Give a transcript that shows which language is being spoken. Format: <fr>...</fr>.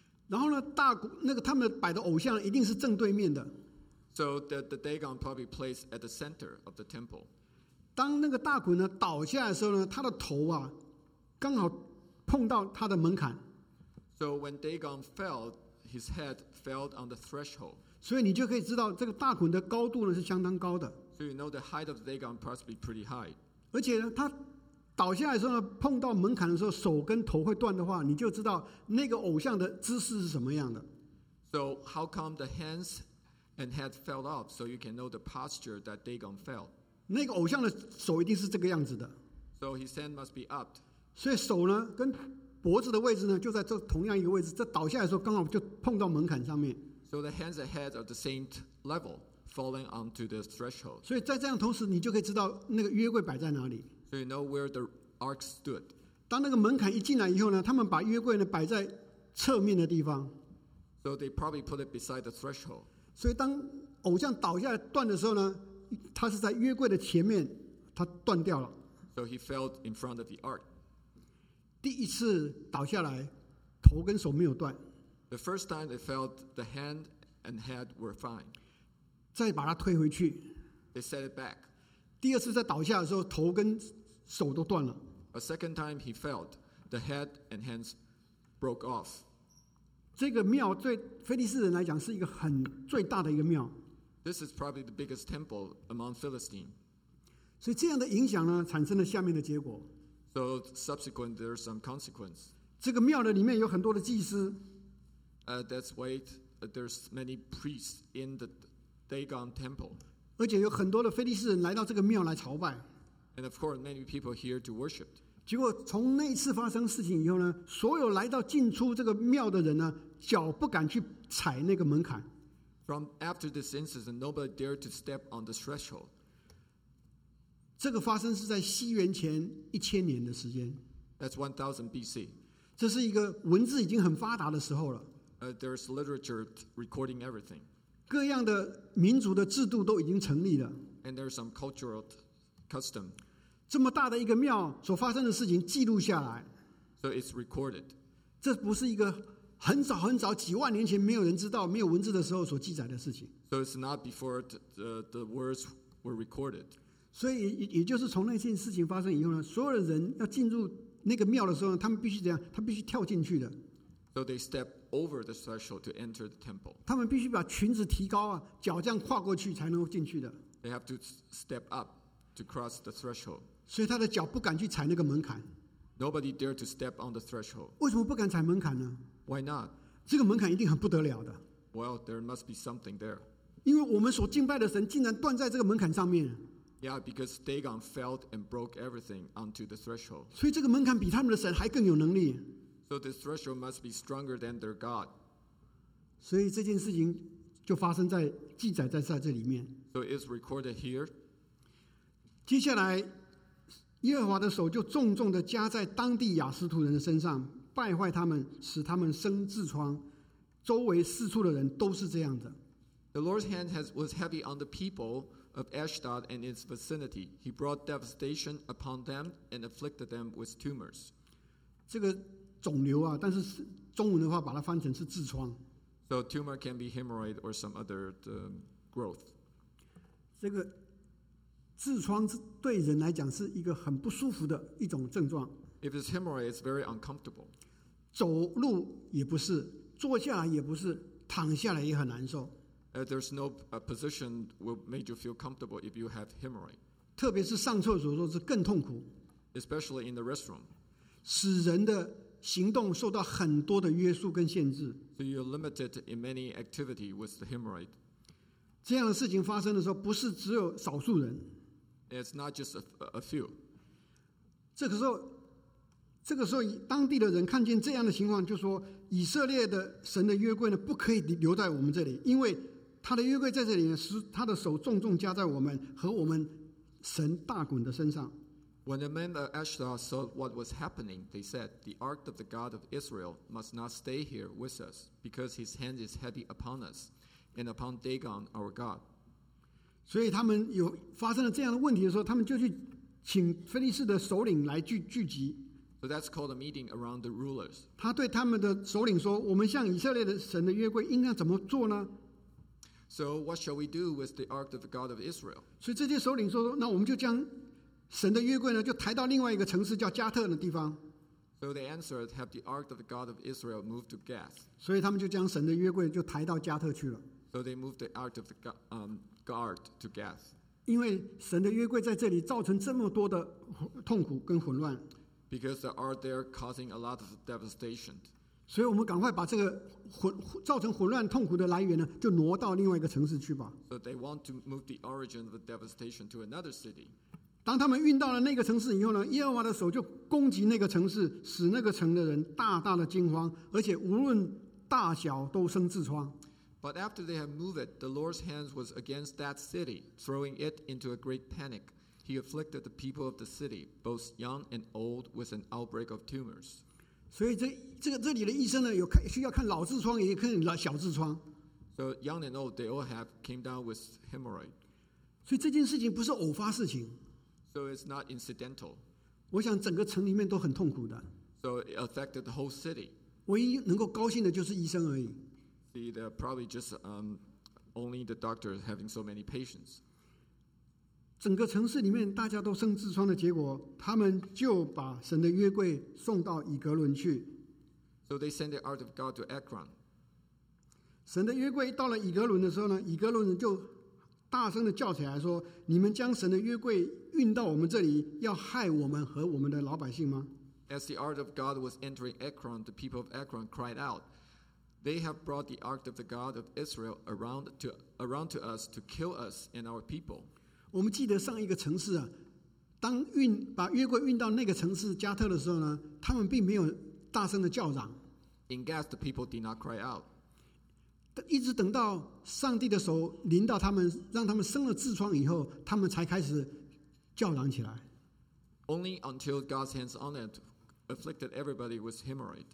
<zh>然后呢，大那个他们摆的偶像一定是正对面的。</zh> <en>So the Dagon probably placed at the center of the temple.</en> <zh>当那个大鬼呢倒下来的时候呢，他的头啊，刚好碰到他的门槛。</zh> <en>So when Dagon fell, his head fell on the threshold.</en> <zh>所以你就可以知道这个大鬼的高度呢是相当高的。</zh> <en>So you know the height of Dagon must be pretty high.</en> <zh>而且呢，他倒下来的时候呢，碰到门槛的时候，手跟头会断的话，你就知道那个偶像的姿势是什么样的。</zh> <en>So how come the hands and head fell off? So you can know the posture that Dagon fell.</en> <zh>那个偶像的手一定是这个样子的。</zh> <en>So his hand must be up.</en> <zh>所以手呢，跟脖子的位置呢，就在这同样一个位置。这倒下来的时候，刚好就碰到门槛上面。</zh> <en>So the hands and head are the same level, falling onto the threshold.</en> <zh>所以在这样同时，你就可以知道那个约柜摆在哪里。</zh> <en>So you know where the ark stood.</en> <zh>当那个门槛一进来以后呢，他们把约柜呢摆在侧面的地方。</zh> <en>So they probably put it beside the threshold.</en> <zh>所以当偶像倒下来断的时候呢，他是在约柜的前面，他断掉了。</zh> <en>So he fell in front of the ark.</en> <zh>第一次倒下来，头跟手没有断。</zh> <en>The first time they fell, the hand and head were fine.</en> <zh>再把它推回去。</zh> <en>They set it back.</en> <zh>第二次在倒下的时候，头跟手都断了。</zh> <en>A second time he fell, the head and hands broke off.</en> <zh>这个庙对腓力斯人来讲是一个很最大的一个庙。</zh> <en>This is probably the biggest temple among Philistines.</en> <zh>所以这样的影响呢，产生了下面的结果。</zh> <en>So subsequent there are some consequences.</en> <zh>这个庙的里面有很多的祭司。</zh> <en>That's why there's many priests in the Dagon temple.</en> <zh>而且有很多的腓力斯人来到这个庙来朝拜。</zh> <en>And of course, many people here to worship.</en> <zh>结果从那次发生事情以后呢，所有来到进出这个庙的人呢，脚不敢去踩那个门槛。</zh> <en>From after this incident, nobody dared to step on the threshold.</en> <zh>这个发生是在西元前一千年的时间。</zh> <en>That's 1000 BC.</en> <zh>这是一个文字已经很发达的时候了。</zh> <en>There's literature recording everything.</en> <zh>各样的民族的制度都已经成立了。</zh> <en>And there's some cultural custom.</en> <zh>这么大的一个庙所发生的事情记录下来。</zh> <en>So it's recorded.</en> <zh>这不是一个很早很早几万年前没有人知道没有文字的时候所记载的事情。</zh> <en>So it's not before the words were recorded.</en> <zh>所以也就是从那件事情发生以后呢，所有的人要进入那个庙的时候呢，他们必须怎样？他必须跳进去的。</zh> <en>So they step over the threshold to enter the temple.</en> <zh>他们必须把裙子提高啊，脚这样跨过去才能够进去的。</zh> <en>They have to step up to cross the threshold.</en> <zh>所以他的脚不敢去踩那个门槛。</zh> <en>Nobody dared to step on the threshold.</en> <zh>为什么不敢踩门槛呢</zh> <en>？Why not?</en> <zh>这个门槛一定很不得了的。</zh> <en>Well, there must be something there.</en> <zh>因为我们所敬拜的神竟然断在这个门槛上面。</zh> <en>Yeah, because Dagon fell and broke everything onto the threshold.</en> <zh>所以这个门槛比他们的神还更有能力。</zh> <en>So the threshold must be stronger than their God.</en> <zh>所以这件事情就发生在记载在这里面。</zh> <en>So it's recorded here.</en> <zh>接下来，耶和华的手就重重的加在当地亚斯图人的身上，败坏他们，使他们生痔疮。周围四处的人都是这样的。</zh> <en>The Lord's hand was heavy on the people of Ashdod and its vicinity. He brought devastation upon them and afflicted them with tumors.</en> <zh>这个肿瘤啊，但是中文的话把它翻成是痔疮。</zh> <en>So tumor can be hemorrhoid or some other growth.</en> <zh>这个痔疮对人来讲是一个很不舒服的一种症状。</zh> <en>If it's hemorrhoid, it's very uncomfortable.</en> <zh>走路也不是，坐下来也不是，躺下来也很难受。</zh> <en>There's no position will make you feel comfortable if you have hemorrhoid.</en> <zh>特别是上厕所的时候是更痛苦。</zh> <en>Especially in the restroom.</en> <zh>使人的行动受到很多的约束跟限制。</zh> <en>So you're limited in many activity with the hemorrhoid.</en> <zh>这样的事情发生的时候，不是只有少数人。</zh> <en>It's not just a few.</en> <zh>这个时候，当地的人看见这样的情况，就说：“以色列的神的约柜呢，不可以留在我们这里，因为他的约柜在这里呢，使他的手重重加在我们和我们神大滚的身上。”</zh> <en>When the men of Ashdod saw what was happening, they said, "The ark of the God of Israel must not stay here with us, because his hand is heavy upon us, and upon Dagon our God."</en> <zh>所以他们有发生了这样的问题的时候，他们就去请腓力斯的首领来聚集，</zh> <en>So that's called a meeting around the rulers.</en> <zh>他对他们的首领说，我们向以色列的神的约柜应该怎么做呢？</zh> <en>So what shall we do with the ark of the God of Israel?</en> <zh>所以这些首领说，那我们就将神的约柜呢，就抬到另外一个城市叫加特的地方。</zh> <en>So they answered, have the ark of the God of Israel moved to Gath.</en> <zh>所以他们就将神的约柜就抬到加特去了。</zh> <en>So they moved the ark of the God to Gath.</en> <zh>因为神的约柜在这里造成这么多的痛苦跟混乱。</zh> <en>Because the ark there causing a lot of devastation.</en> <zh>所以我们赶快把这个造成混乱痛苦的来源呢，就挪到另外一个城市去吧。</zh> <en>So they want to move the origin of the devastation to another city.</en> <zh>当他们运到了那个城市以后呢，耶和华的手就攻击那个城市，使那个城的人大大的惊慌，而且无论大小都生痔疮。</zh> <en>But after they had moved it, the Lord's hand was against that city, throwing it into a great panic. He afflicted the people of the city, both young and old, with an outbreak of tumors.</en> <zh>所以这里的医生呢，有需要看老痔疮，也可以看小痔疮。</zh> <en>So young and old, they all have came down with hemorrhoid.</en> <zh>所以这件事情不是偶发事情。</zh> <en>So it's not incidental.</en> <zh>我想整个城里面都很痛苦的。</zh> <en>So it affected the whole city.</en> <zh>唯一能够高兴的就是医生而已。</zh> <en>See, they're probably just only the doctor having so many patients.</en> <zh>整个城市里面大家都生痔疮的结果，他们就把神的约柜送到以格伦去。</zh> <en>So they send the ark of God to Ekron.</en> <zh>神的约柜到了以格伦的时候呢，以格伦人就大声的叫起来说，你们将神的约柜运到我们这里，要害我们和我们的老百姓吗？</zh> <en>As the ark of God was entering Ekron, the people of Ekron cried out, They have brought the ark of the God of Israel around to us to kill us and our people.</en> <zh>我们记得上一个城市啊，当把约柜运到那个城市加特的时候呢，他们并没有大声的叫嚷。</zh> <en>In Gath, the people did not cry out.</en> <zh>一直等到上帝的手临到他们，让他们生了痔疮以后，他们才开始叫嚷起来。</zh> <en>Only until God's hands on it afflicted everybody with hemorrhoid.</en>